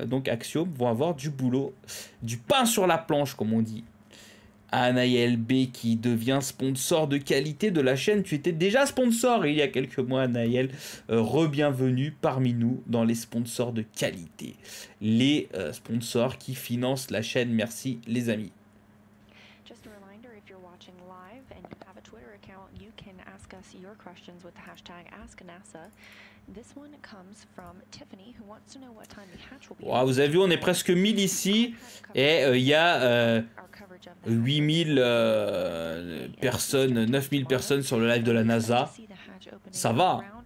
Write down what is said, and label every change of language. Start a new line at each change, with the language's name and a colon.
French: Donc Axiom vont avoir du boulot, du pain sur la planche comme on dit. Anna ILB qui devient sponsor de qualité de la chaîne. Tu étais déjà sponsor il y a quelques mois, Anna IL. Re-bienvenue parmi nous dans les sponsors de qualité. Les sponsors qui financent la chaîne. Merci les amis.
English: Just a reminder, if you're watching live and you have a Twitter account, you can ask us your questions with the hashtag AskNASA. This one comes from Tiffany who wants to know what time the hatch will be.
French: Wow, vous avez vu, on est presque 1000 ici et il y a 8000 personnes, 9000 personnes sur le live de la NASA. Ça va.